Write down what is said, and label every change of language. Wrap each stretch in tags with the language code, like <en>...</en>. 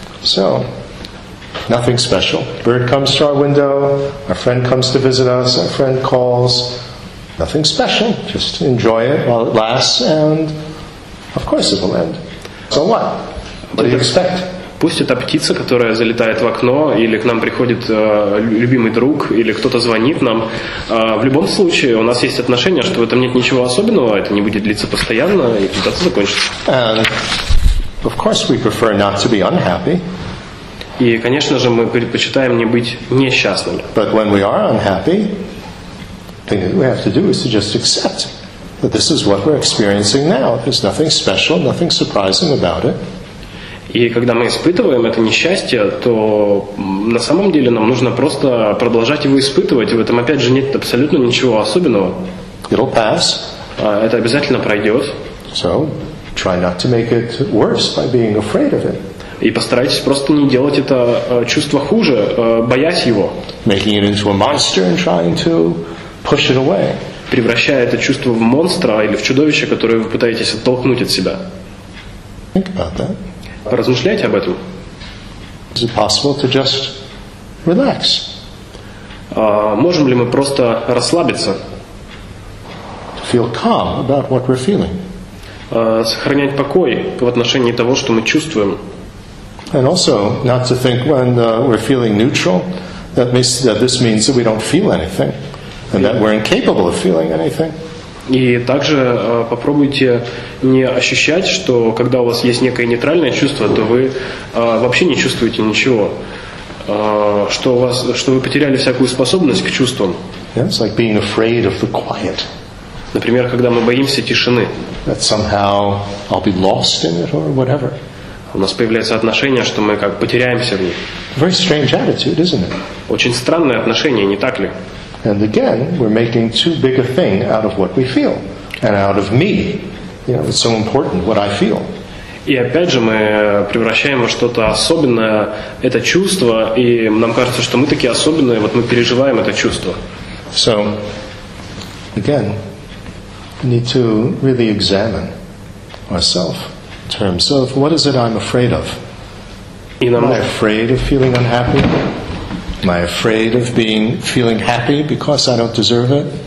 <en>So, nothing special. Bird comes to our window, our friend comes to visit us, our friend calls. Nothing special. Just enjoy it while it lasts, and of course it will end. So what? What do you expect?</en> <ru>Пусть эта птица, которая залетает в окно, или к нам приходит любимый друг, или кто-то звонит нам, в любом случае у нас есть отношение, что в этом нет ничего особенного, это не будет длиться постоянно, и когда-то закончится.</ru> <en>And of course we prefer not to be unhappy.</en> <ru>И, конечно же, мы предпочитаем не быть несчастными.</ru> <en>But when we are unhappy, the thing we have to do is to just accept that this is what we're experiencing now. There's nothing special, nothing surprising about it.</en> <ru>И когда мы испытываем это несчастье, то на самом деле нам нужно просто продолжать его испытывать. В этом опять же нет абсолютно ничего особенного.</ru> <en>It'll pass.</en> <ru>Это обязательно пройдет.</ru> <en>So, try not to make it worse by being afraid of it.</en> <ru>И постарайтесь просто не делать это чувство хуже, боясь его.</ru> <en>Making it into a monster and trying to push it away.</en> <ru>Превращая это чувство в монстра или в чудовище, которое вы пытаетесь оттолкнуть от себя.</ru> <en>Think about that.</en> <ru>Поразмышляйте об этом.</ru> <en>Is it possible to just relax?</en> <ru>Можем ли мы просто расслабиться?</ru> <en>Feel calm about what we're feeling.</en> <ru>Сохранять покой в отношении того, что мы чувствуем.</ru> <en>And also not to think when we're feeling neutral that this means that we don't feel anything and that we're incapable of feeling anything.</en> <ru>И также попробуйте не ощущать, что когда у вас есть некое нейтральное чувство, то вы вообще не чувствуете ничего, что вы потеряли всякую способность к чувствам.</ru> <en>Yeah, it's like being afraid of the quiet.</en> <ru>Например, когда мы боимся тишины.</ru> <en>That somehow I'll be lost in it or whatever.</en> <ru>У нас появляется отношение, что мы как потеряемся в ней.</ru> <en>Very strange attitude, isn't it?</en> <ru>Очень странное отношение, не так ли?</ru> <en>And again, we're making too big a thing out of what we feel and out of me. You know, it's so important what I feel.</en> <ru>И опять же мы превращаем во что-то особенное это чувство, и нам кажется, что мы такие особенные, вот мы переживаем это чувство.</ru> <en>So, again, we need to really examine ourselves in terms of what is it I'm afraid of? Am I afraid of feeling unhappy? Am I afraid of being feeling happy because I don't deserve it?</en>